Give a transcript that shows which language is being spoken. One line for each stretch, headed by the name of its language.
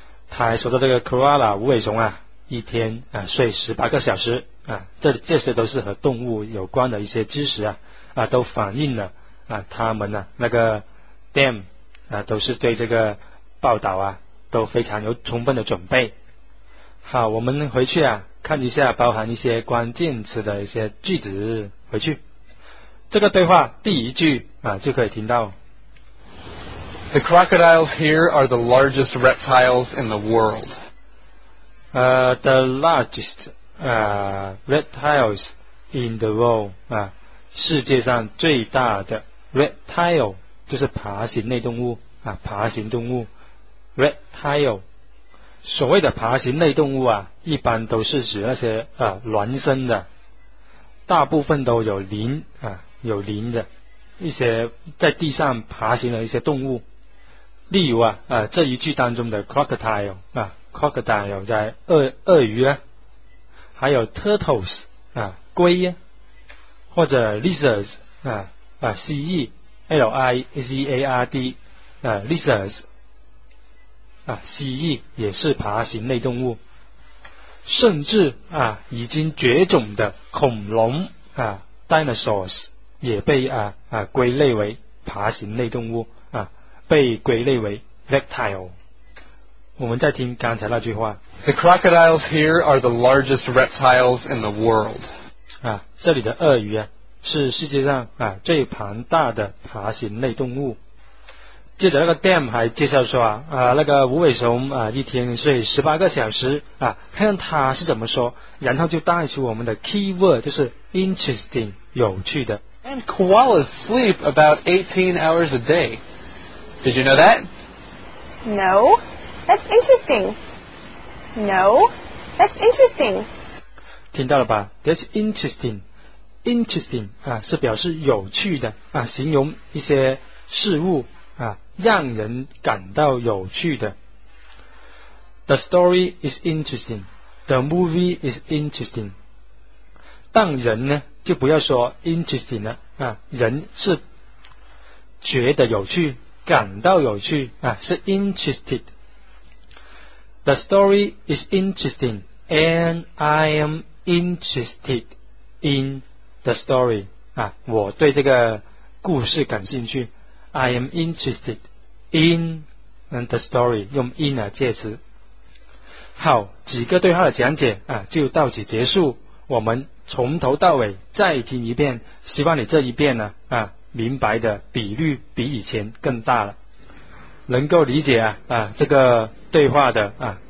Chinese: 他还说到这个 koala 无尾熊一天睡18个小时这些都是和动物有关的一些知识都反映了他们那个 them 都是对这个报道都非常有充分的准备。好，我们回去看一下包含一些关键词的一些句子回去。这个对话第一句就可以听到
English: The crocodiles here are the largest reptiles in the world. The largest reptiles in the world.
Chinese: 世界上最大的 reptile 就是爬行类动物爬行动物 reptile。所谓的爬行类动物一般都是指那些孪生的，大部分都有鳞有鳞的一些在地上爬行的一些动物。例如这一句当中的 crocodile crocodile 在鳄鱼还有 turtles 龟或者 lizards 蜥蜴 lizard lizards蜥蜴也是爬行类动物。甚至啊已经绝种的恐龙啊 dinosaurs 也被啊归类为爬行类动物啊，被归类为 reptile。我们再听刚才那句话。
English: The crocodiles here are the largest reptiles in the world.
Chinese: 啊，这里的鳄鱼啊，是世界上啊最庞大的爬行类动物。接着那个 Dam 还介绍说啊，那个无尾熊啊，一天睡18个小时啊，看他是怎么说，然后就带出我们的 keyword 就是 interesting 有趣的。
English: And koalas sleep about 18 hours a day. Did you know that? No. That's interesting. No, that's interesting.
Chinese: 听到了吧 ？
English: That's interesting.
Chinese: Interesting 啊，是表示有趣的啊，形容一些事物啊，让人感到有趣的。
English: The story is interesting. The movie is interesting.
Chinese: 但人呢，就不要说 interesting 了啊，人是觉得有趣，感到有趣啊，是 interested.
English: The story is interesting, and I am interested in the story.
Chinese: 啊，我对这个故事感兴趣。
English: I am interested in the story.
Chinese: 用 in 来介词。好，几个对话的讲解啊，就到此结束。我们从头到尾再听一遍，希望你这一遍呢啊，明白的比率比以前更大了，能够理解啊啊这个对话的啊。